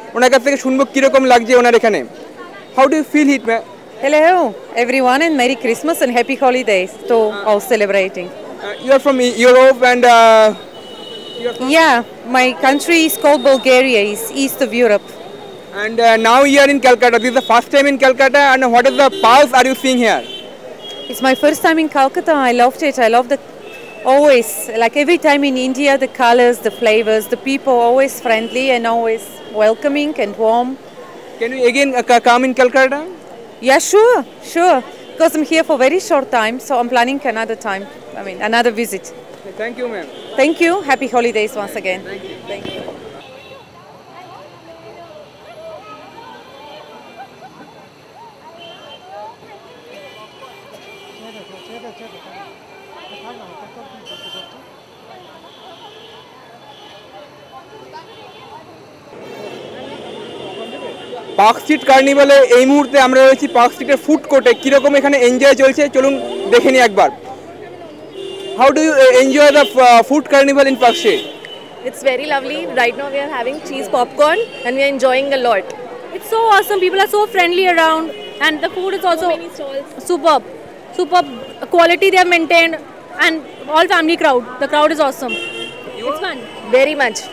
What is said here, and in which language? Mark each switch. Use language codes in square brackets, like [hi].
[bn] ওনার কাছ থেকে শুনবো কিরকম লাগছে ওনার এখানে। [en] How do you feel heat ma'am? Hello everyone and merry Christmas and happy holidays to all celebrating. You are from Europe and yeah my country is called Bulgaria is east of Europe and now you are in Calcutta. This is the first time in Calcutta and what is the pulse are you seeing here? It's my first time in Calcutta. I loved it. I love the always like every time in India the colors, the flavors, the people always friendly and always welcoming and warm. Can you again come in Calcutta? Yeah, sure, because I'm here for very short time, so I'm planning another time, I mean another visit. Thank you ma'am. Thank you, happy holidays once again. Thank you. ¿Dónde ves? [bn] Park street কার্নিভালে এই মুহূর্তে আমরা রয়েছি park স্ট্রিটের food কোর্টে। কিরকম এখানে enjoy চলছে চলুন দেখে নিই একবার। [en] How do you enjoy the food carnival in Park Street? It's very lovely. Right now we are having cheese popcorn and we are enjoying a lot. It's so awesome. People are so friendly around and the food is also superb. Superb quality they have maintained and all family crowd. The crowd is awesome. It's fun. Very much.